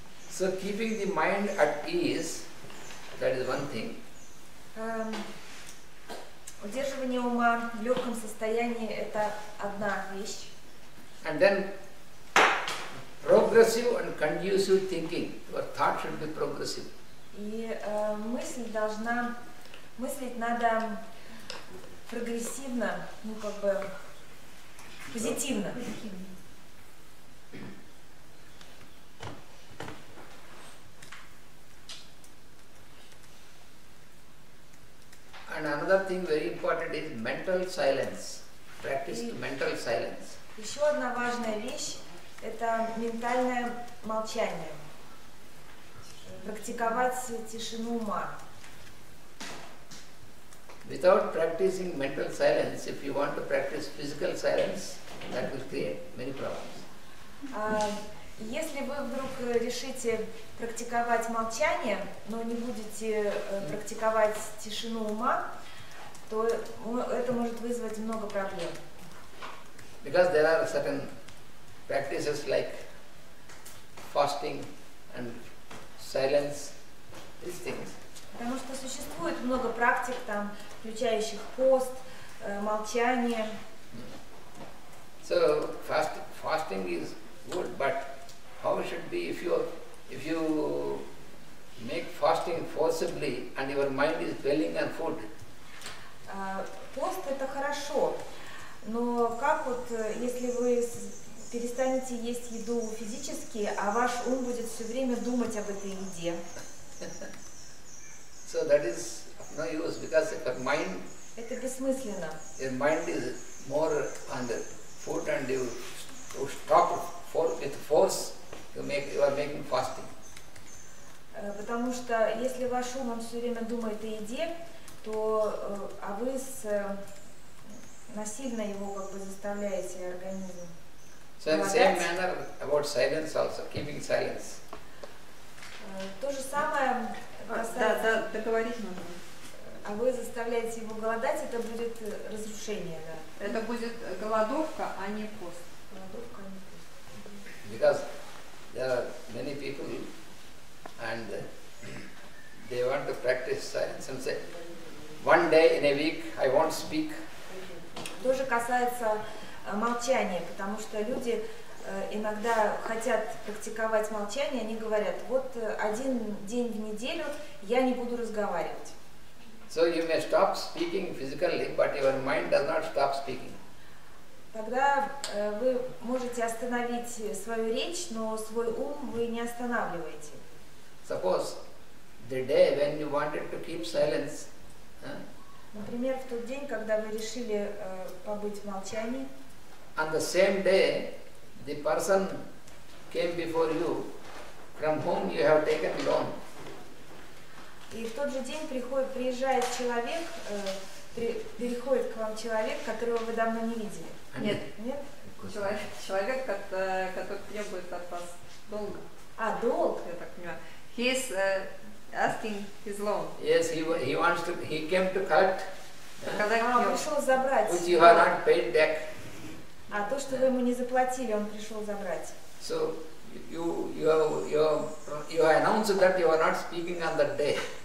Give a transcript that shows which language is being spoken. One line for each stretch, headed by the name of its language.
English: So keeping the mind at ease, that is one thing.
Russian: Удерживание ума в легком состоянии – это одна вещь.
English: And then progressive and conducive thinking. Your thought should be progressive.
Russian: И мысль должна мыслить надо прогрессивно, ну как бы позитивно.
English: And another thing very important is mental silence. Practice mental silence.
Russian: Еще одна важная вещь – это ментальное молчание. Практиковать тишину ума.
English: Without practicing mental silence, if you want to practice physical silence, that will create many problems.
Russian: Если вы вдруг решите практиковать молчание, но не будете практиковать тишину ума, то это может вызвать много проблем.
English: Because there are certain practices like fasting and silence, these things.
Russian: Потому что существует много практик, там, включающих пост, молчание.
English: So fasting is good, but how should be if you make fasting forcibly and your mind is dwelling on food?
Russian: Пост это хорошо, но как вот если вы перестанете есть еду физически, а ваш ум будет все время думать об этой еде?
English: So that is no use because your mind.
Russian: Это бессмысленно.
English: Your mind is more on the food and you stop with force. You are making fasting.
Russian: Потому что если ваш ум он все время думает о еде, то а вы насильно его как бы заставляете организм.
English: So in same manner about silence also, keeping silence.
Russian: То же самое. Да, договорить можно. А вы заставляете его голодать, это будет разрушение, да? Это будет голодовка, а не пост. Голодовка, а не пост.
English: Because there are many people and they want to practice silence and say one day in a week I won't speak.
Russian: Тоже касается молчания, потому что люди иногда хотят практиковать молчание, они говорят, вот один день в неделю я не буду разговаривать.
English: So you may stop speaking physically, but your mind does not stop speaking.
Russian: Когда вы можете остановить свою речь, но свой ум вы не останавливаете.
English: Suppose the day when you wanted to keep silence.
Russian: Например, в тот день, когда вы решили побыть в молчании.
English: On the same day, the person came before you, from whom you have taken loan.
Russian: И в тот же день приходит, приезжает человек, переходит к вам человек, которого вы давно не видели. Нет. Человек, который требует от вас долг. А, долг, я так понимаю.
English: He is asking his loan. Yes, he wants to, he came to cut.
Russian: Когда он пришел забрать.
English: Which you have not paid back.
Russian: А то, что вы ему не заплатили, он пришел забрать.
English: So, you announced that you are not speaking on that day.